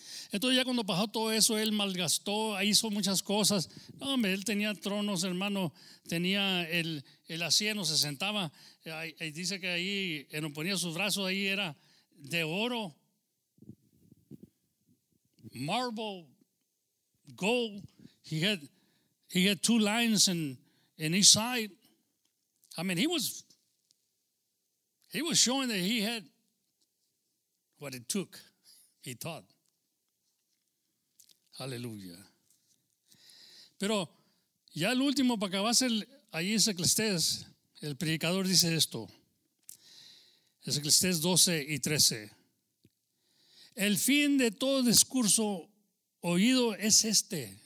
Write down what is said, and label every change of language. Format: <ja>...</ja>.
<es>Entonces, ya cuando pasó todo eso, él malgastó, hizo muchas cosas. No, hombre, él tenía tronos, hermano, tenía el asiento, se sentaba. Y dice que ahí, él ponía sus brazos, ahí era de oro,</es> <en>marble, gold. He had two lines in each side. I mean, he was showing that he had what it took, he thought.</en> <es>Hallelujah. Pero Ya el último, para acabarse, ahí es Eclesiastés, el predicador dice esto. Es Eclesiastés 12 y 13. El fin de todo discurso oído es este.</es>